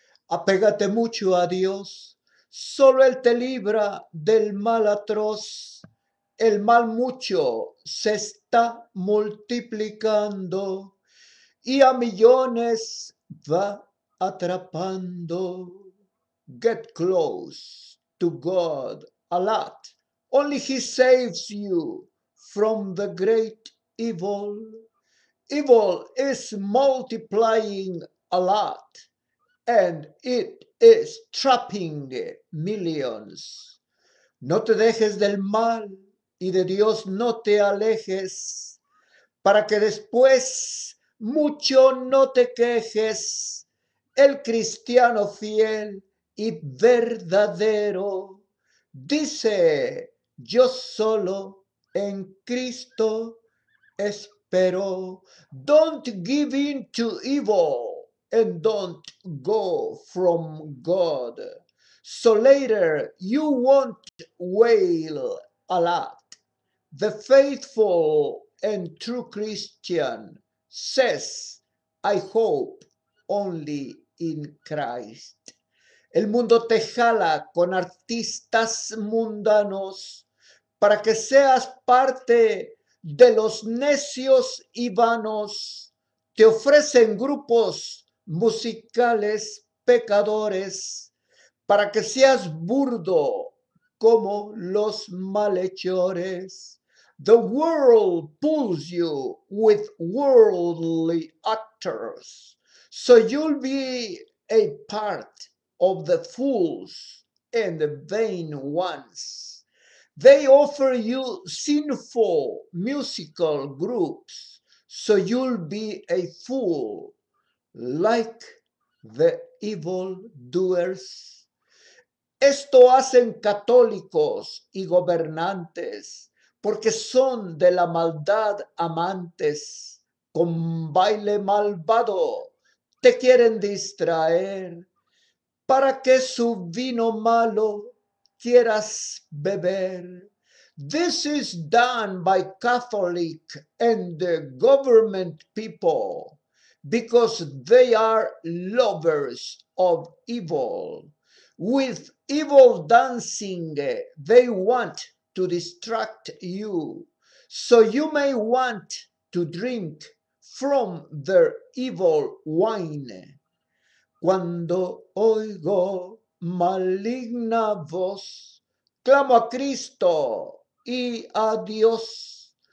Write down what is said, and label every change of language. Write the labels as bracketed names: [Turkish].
[Spanish] Apégate mucho a Dios, solo Él te libra del mal atroz. El mal mucho se está multiplicando y a millones va atrapando. [English] Get close to God a lot. Only He saves you from the great evil. Evil is multiplying a lot and it is trapping millions. [Spanish] No te dejes del mal. Y de Dios no te alejes, para que después mucho no te quejes. El cristiano fiel y verdadero dice: yo solo en Cristo espero. [English] Don't give in to evil and don't go from God. So later you won't wail a lot. The faithful and true Christian says, I hope only in Christ. [Spanish] El mundo te jala con artistas mundanos para que seas parte de los necios y vanos. Te ofrecen grupos musicales pecadores para que seas burdo como los malhechores. [English] The world pulls you with worldly actors, so you'll be a part of the fools and the vain ones. They offer you sinful musical groups, so you'll be a fool like the evil doers. [Spanish] Esto hacen católicos y gobernantes, porque son de la maldad amantes, con baile malvado te quieren distraer, para que su vino malo quieras beber. [English] This is done by Catholic and the government people, because they are lovers of evil. With evil dancing, they want to distract you, so you may want to drink from their evil wine. [Spanish] Cuando oigo maligna voz, clamo a Cristo y a Dios.